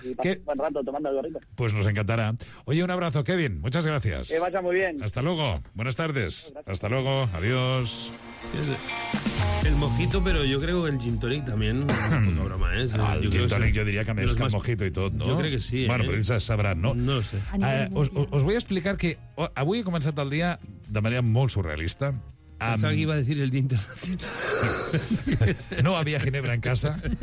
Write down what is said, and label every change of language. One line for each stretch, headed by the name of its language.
Spanish: Y buen rato tomando algo rico. Pues nos encantará. Oye, un abrazo, Kevin. Muchas gracias. Que vaya muy bien. Hasta luego. Buenas tardes. Hasta luego. Adiós. El mojito, pero yo creo que el gin tonic también. No es broma, ¿eh? Ah, el gin tonic yo diría que mezcla más... mojito y todo, ¿no? Yo creo que sí, bueno, pero ya sabrán, ¿no? No sé. Os voy a explicar que
Catalan: avui he començat el dia de manera molt surrealista. Pensava
Spanish: que iba a decir el día internacional. No había ginebra en casa.